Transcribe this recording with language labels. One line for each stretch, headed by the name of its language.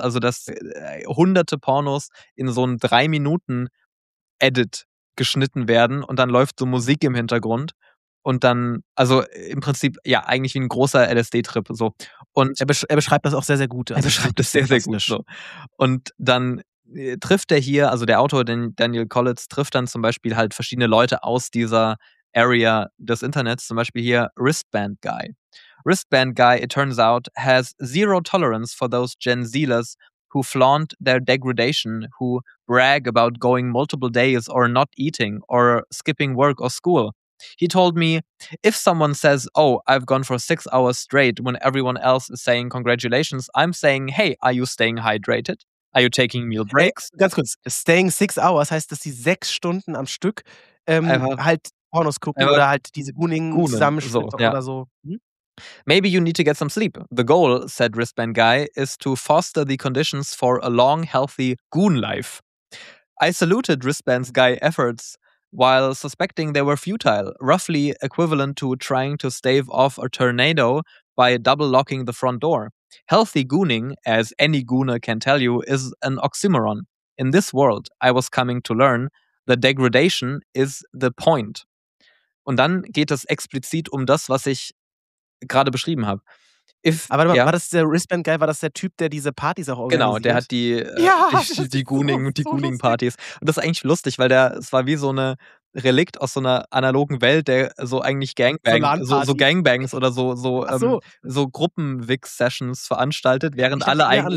German: Also dass hunderte Pornos in so ein 3 Minuten Edit geschnitten werden und dann läuft so Musik im Hintergrund und dann, also im Prinzip, ja, eigentlich wie ein großer LSD-Trip. So. Und er beschreibt das auch sehr, sehr gut. Also er beschreibt das sehr, sehr gut. So. Und dann trifft er hier, also der Autor, Daniel Kolitz, trifft dann zum Beispiel halt verschiedene Leute aus dieser Area des Internets, zum Beispiel hier Wristband Guy.
English: Wristband Guy, it turns out, has zero tolerance for those Gen Zers who flaunt their degradation, who brag about going multiple days or not eating or skipping work or school. He told me, if someone says, oh, I've gone for 6 hours straight when everyone else is saying congratulations, I'm saying, hey, are you staying hydrated? Are you taking meal breaks? Hey,
German: ganz kurz, staying 6 hours heißt, dass sie 6 Stunden am Stück halt Pornos gucken oder halt diese Gooning zusammenspielen oder so.
English: Maybe you need to get some sleep. The goal, said Wristband Guy, is to foster the conditions for a long, healthy goon life. I saluted Wristband Guy's efforts while suspecting they were futile, roughly equivalent to trying to stave off a tornado by double locking the front door. Healthy gooning, as any gooner can tell you, is an oxymoron. In this world, I was coming to learn, the degradation is the point.
German: Und dann geht es explizit um das, was ich gerade beschrieben habe. War das der Wristband Guy? War das der Typ, der diese Partys auch organisiert? Genau, der hat die Gooning-Partys. Und das ist eigentlich lustig, weil es war wie so eine Relikt aus so einer analogen Welt, der so eigentlich Gangbang, so Gangbangs oder so Gruppenwix-Sessions veranstaltet, während alle eigentlich